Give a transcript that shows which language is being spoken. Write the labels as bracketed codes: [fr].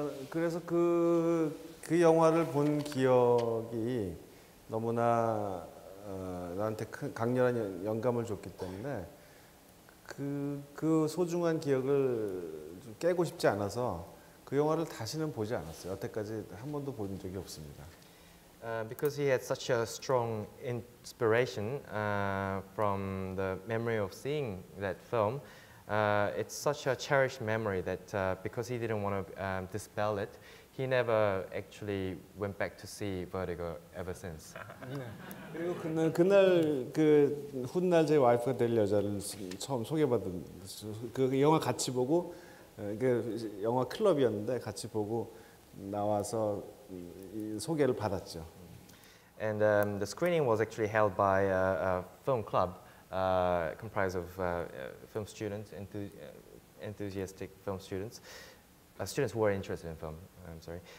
[ko] 그래서 그 영화를 본 기억이 너무나 나한테 큰 강렬한 영감을 줬기 때문에 그 소중한 기억을 좀 깨고 싶지 않아서 그 영화를 다시는 보지 않았어요. 여태까지 한 번도 본 적이 없습니다. [en] Because he had such a strong inspiration from the memory of seeing that film, it's such a cherished memory that because he didn't want to dispel it, he never actually went back to see Vertigo ever since. [ko] 그리고 그날 그 훗날 제 와이프가 될 여자를 처음 소개받은 그 영화 같이 보고 그 영화 클럽이었는데 같이 보고 나와서 소개를 받았죠. [en] And the screening was actually held by a film club comprised of film students, enthusiastic film students, students who were interested in film, I'm sorry.